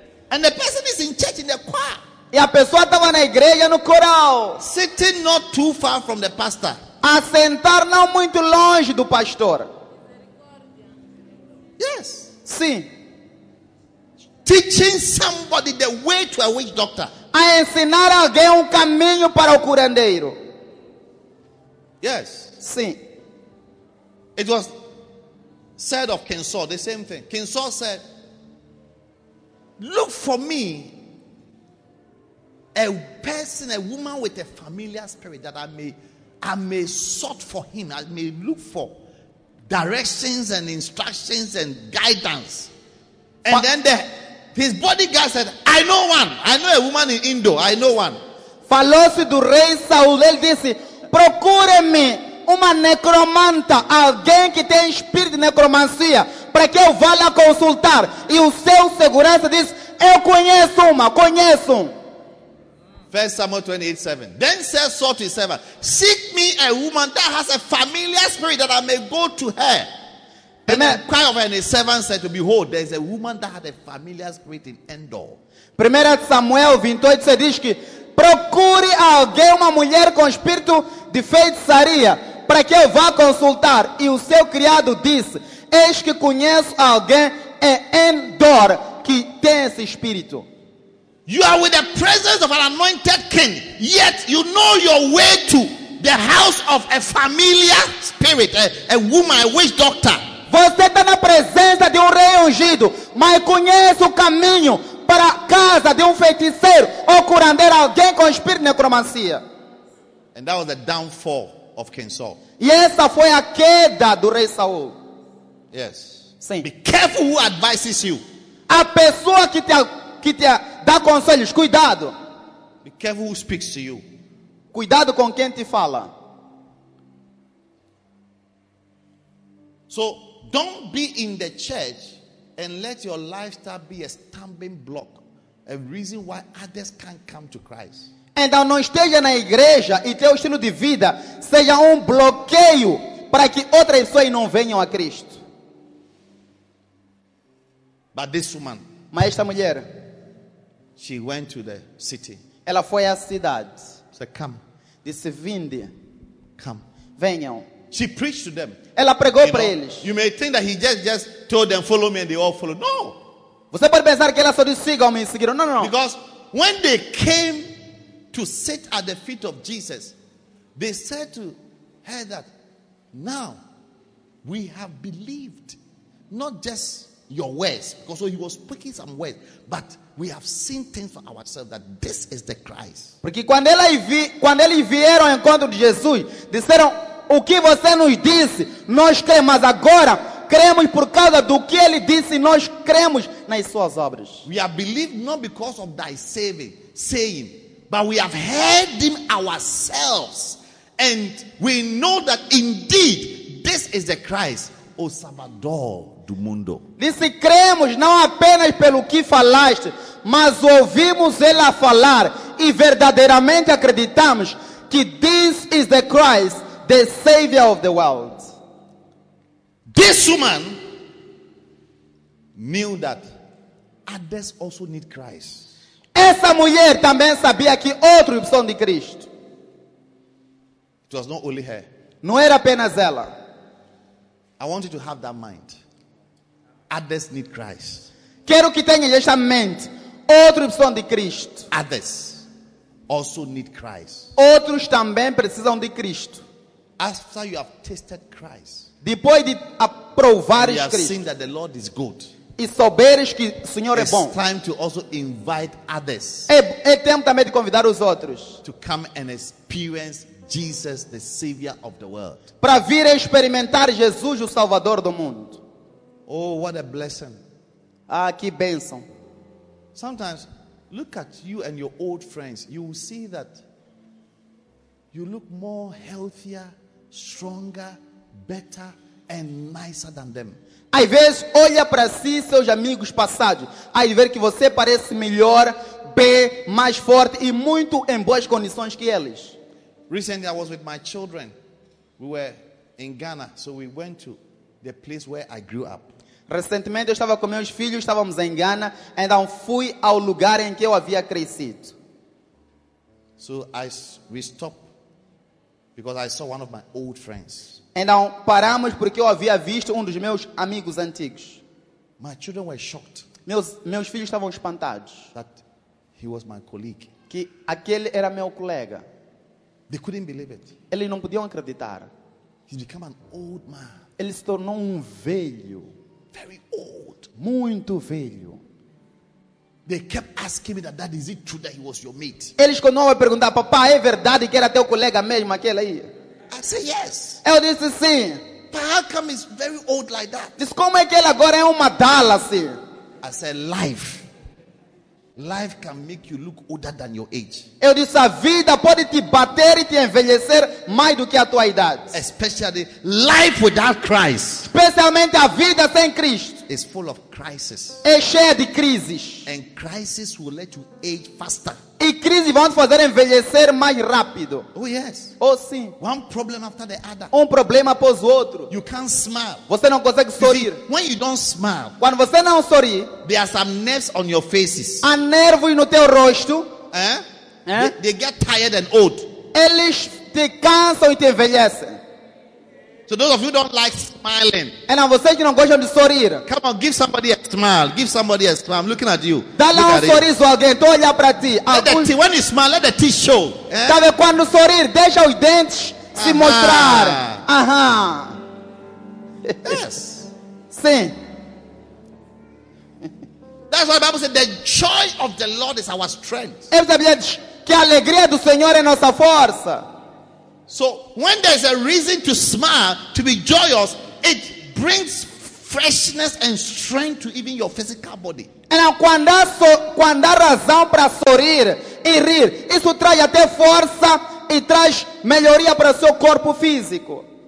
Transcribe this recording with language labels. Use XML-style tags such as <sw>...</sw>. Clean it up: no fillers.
<en>And the person is in church in the choir.</en> <pt>E a pessoa estava na igreja no coral.</pt> <en>Sitting not too far from the pastor.</en> <pt>A sentar não muito longe do pastor.</pt> <en>Yes.</en> <pt>Sim.</pt> <en>Teaching somebody the way to a witch doctor.</en> <pt>A ensinar alguém caminho para o curandeiro.</pt> <en>Yes.</en> <pt>Sim.</pt> <en>It was said of King Saul, the same thing. King Saul said, "Look for me a person, a woman with a familiar spirit that I may sort for him. I may look for directions and instructions and guidance." And but then his bodyguard said, "I know one. I know a woman in Indo. I know one."</en> <pt>Falou-se do rei Saul, ele disse, "Procure-me uma necromanta, alguém que tem espírito de necromancia, para que eu vá lá consultar." E o seu segurança diz, "Eu conheço uma, conheço."</pt> <en>1 Samuel 28:7. "Then says Saul to his servant, 'Seek me a woman that has a familiar spirit that I may go to her.'" And the cry of her and his servant said, "To behold, there is a woman that had a familiar spirit in Endor."</en> <pt>1 Samuel 28 diz que procure alguém, uma mulher com espírito de feitiçaria, para que eu vá consultar. E o seu criado disse, "Eis que conheço alguém em Endor que tem esse espírito."</pt> <en>You are with the presence of an anointed king, yet you know your way to the house of a familiar spirit, a woman, a witch doctor.</en> <pt>Você está na presença de rei ungido, mas conhece o caminho para a casa de feiticeiro ou curandeiro, alguém com espírito de necromancia.</pt> <en>And that was the downfall of King Saul.</en> <pt>E essa foi a queda do rei Saul.</pt> <en>Yes.</en> <pt>Sim.</pt> <en>Be careful who advises you.</en> <pt>A pessoa que te dá conselhos, cuidado.</pt> <en>Be careful who speaks to you.</en> <pt>Cuidado com quem te fala.</pt> <en>So, don't be in the church and let your lifestyle be a stumbling block, a reason why others can't come to Christ.</en> <pt>Então não esteja na igreja e teu estilo de vida seja bloqueio para que outras pessoas não venham a Cristo.</pt> <en>But this woman,</en> <pt>mas esta mulher,</pt> <en>she went to the city.</en> <pt>Ela foi à cidade.</pt> <en>Said, "Come."</en> <pt>Disse, "Vinde."</pt> <en>"Come."</en> <pt>Venham.</pt> <en>She preached to them.</en> <pt>Ela pregou para eles.</pt> <en>You may think that he just told them, "Follow me," and they all followed. No.</en> <pt>Você pode pensar que ela só disse, "Sigam-me," e seguiram. Não, não, não.</pt> <en>Because when they came to sit at the feet of Jesus, they said to her that, "Now we have believed, not just your words. Because so he was speaking some words. But we have seen things for ourselves that this is the Christ.</en> <pt>Porque quando eles vieram ao encontro de Jesus, disseram, o que você nos disse, nós cremos agora. Cremos por causa do que ele disse, nós cremos nas suas obras.</pt> <en>We have believed not because of thy saving, saying, but we have heard him ourselves. And we know that indeed, this is the Christ,</en> <pt>o Salvador do mundo. Disse, cremos não apenas pelo que falaste, mas ouvimos ele a falar e verdadeiramente acreditamos que</pt> <en>this is the Christ, the Savior of the world. This woman knew that others also need Christ.</en> <pt>Essa mulher também sabia que outros precisam de Cristo.</pt> <en>It was not only her.</en> <pt>Não era apenas ela.</pt> <en>I want you to have that mind. Others need Christ.</en> <pt>Quero que tenha esta mente. Outros precisam de Cristo.</pt> <en>Others also need Christ.</en> <pt>Outros também precisam de Cristo.</pt> <en>After you have tasted Christ.</en> <pt>Depois de aprovares Cristo,</pt> <en>seen that the Lord is good,</en> <pt>e souberes que o Senhor é bom,</pt> <en>time to also invite others,</en> <pt>é tempo também de convidar os outros</pt> <en>to come and experience Jesus, the Savior of the world,</en> <pt>para vir experimentar Jesus, o Salvador do mundo.</pt> <en>Oh, what a blessing!</en> <pt>Ah, que bênção!</pt> <en>Sometimes look at you and your old friends, you will see that you look more healthier, stronger, better and nicer than them.</en> <pt>Às vezes olha para si seus amigos passados, aí vê que você parece melhor, bem mais forte e muito em boas condições que eles.</pt> <en>Recently I was with my children. We were in Ghana, so we went to the place where I grew up.</en> <pt>Recentemente eu estava com meus filhos, estávamos em Ghana, então fui ao lugar em que eu havia crescido.</pt> <en>So we stopped because I saw one of my old friends.</en> <pt>Então paramos porque eu havia visto um dos meus amigos antigos.</pt> <en>My children were shocked.</en> <pt>Meus filhos estavam espantados.</pt> <en>That he was my colleague.</en> <pt>Que aquele era meu colega.</pt> <en>They couldn't believe it.</en> <pt>Eles não podiam acreditar.</pt> <en>He's become an old man.</en> <pt>Ele se tornou um velho.</pt> <en>Very old.</en> <pt>Muito velho.</pt> <en>They kept asking me that is it true that he was your mate?</en> <pt>Eles continuavam a perguntar, papá, é verdade que era teu colega mesmo aquele aí?</pt> <en>I say yes.</en> <pt>Eu disse sim.</pt> <en>But how come he's very old like that?</en> <pt>Diz, como é que ele agora é uma dala assim?</pt> <en>I said life. Life can make you look older than your age.</en> <pt>Eu disse, a vida pode te bater e te envelhecer mais do que a tua idade.</pt> <en>Especially life without Christ.</en> <pt>Especialmente a vida sem Cristo.</pt> <en>Is full of crisis.</en> <pt>É cheia de crises.</pt> <en>And crisis will let you age faster.</en> <pt>E crises vão te fazer envelhecer mais rápido.</pt> <en>Oh yes.</en> <pt>Oh sim.</pt> <en>One problem after the other.</en> <pt>Um problema após o outro.</pt> <en>You can't smile.</en> <pt>Você não consegue sorrir.</pt> <en>See, when you don't smile.</en> <pt>Quando você não sorri.</pt> <en>There are some nerves on your faces.</en> <pt>Há nervos no teu rosto. Eh? Eh?</pt> <en>They get tired and old.</en> <pt>Eles te cansam e te envelhecem.</pt> <en>So those of you don't like smiling. And I was saying, you know, gosh, I'm sorry. Come on, give somebody a smile. Give somebody a smile. I'm looking at you.</en> <pt>Dá-lhe um sorriso alguém. Tô olhando para ti. When you smile, let the teeth show. Tá vendo quando sorrir, deixa os dentes se mostrar.</pt> <en>Yes.</en> <pt>Sim.</pt> <en>That's why the Bible said, the joy of the Lord is our strength.</en> <pt>Ele sabia que a alegria do Senhor é nossa força.</pt> <en>So when there's a reason to smile, to be joyous, it brings freshness and strength to even your physical body.</en> <pt>And quando há razão para sorrir e rir, isso traz até força e traz melhoria para seu corpo físico.</pt>